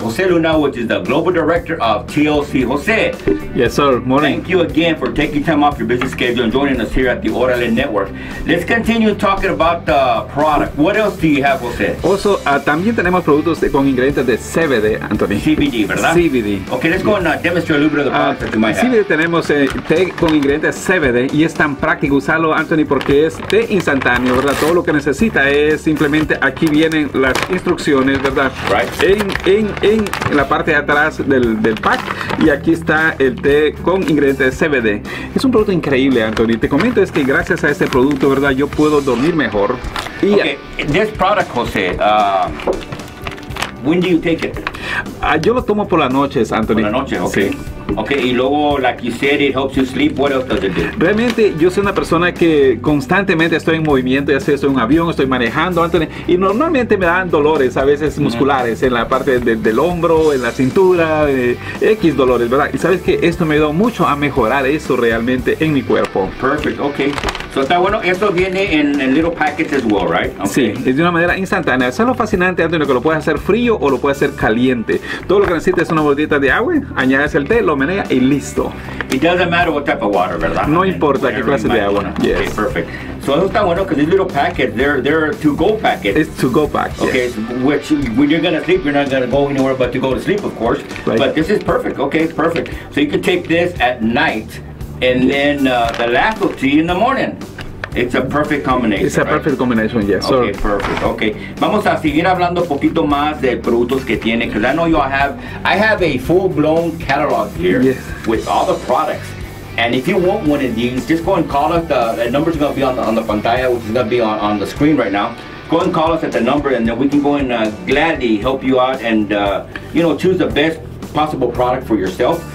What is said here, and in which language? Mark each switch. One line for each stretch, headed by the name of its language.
English: Jose Luna, which is the Global Director of TLC. Jose. Yes, sir. Morning. Thank you again for taking time off your busy schedule and joining us here at the Orale Network. Let's continue talking about the product. What else do you have, Jose?
Spanish: Also, también tenemos productos con ingredientes de CBD, Anthony. CBD, ¿verdad? CBD.
English: Okay, let's go and demonstrate a little bit of the product that you might CBD have.
Spanish: CBD tenemos té con ingredientes CBD, y es tan práctico usarlo, Anthony, porque es té instantáneo, ¿verdad? Todo lo que necesita es simplemente, aquí vienen las instrucciones, ¿verdad?
English: Right.
Spanish: En la parte de atrás del pack, y aquí está el té con ingredientes de CBD. Es un producto increíble, Anthony. Te comento es que gracias a este producto, ¿verdad? Yo puedo dormir mejor.
English: Y okay, this product, Jose, when do you take it?
Spanish: Yo lo tomo por las noches, Anthony. Por la noche, okay. Sí.
English: Okay,
Spanish: y luego,
English: like you said, it helps you sleep. What else does it do?
Spanish: Realmente, yo soy una persona que constantemente estoy en movimiento, ya sea estoy en un avión, estoy manejando, Anthony, y normalmente me dan dolores, a veces musculares, en la parte del hombro, en la cintura, X dolores, ¿verdad? Y sabes que esto me ayudó mucho a mejorar eso realmente en mi cuerpo.
English: Perfect, okay. So
Spanish: está bueno, eso viene en
English: little packets as well, right?
Spanish: Okay. Sí, es de una manera instantánea. Eso es lo fascinante, Antonio, que lo puedes hacer frío o lo puedes hacer caliente. Todo lo que necesitas es una botita de agua, añades el té, lo menea y listo.
English: It doesn't matter what type of water,
Spanish: ¿verdad? No importa qué clase de agua.
English: Yes. Okay, perfect. So
Spanish: eso está bueno,
English: because these little packets, they're to-go packets. It's to-go pack, yes. Okay, which when you're going to sleep, you're not going to go anywhere but to go to sleep, of course. Right. But this is perfect, okay, it's perfect. So you can take this at night, and yes. Then the last of tea in the morning. It's a perfect combination. It's a perfect combination, yes. Okay, perfect. Okay.
Spanish: Vamos a seguir hablando un poquito más de productos que tiene.
English: Because I know you all have, I have a full-blown catalog here. Yes. With all the products. And if you want one of these, just go and call us. The number's going to be on the pantalla, which is going to be on the screen right now. Go and call us at the number, and then we can go and gladly help you out and, you know, choose the best possible product for yourself.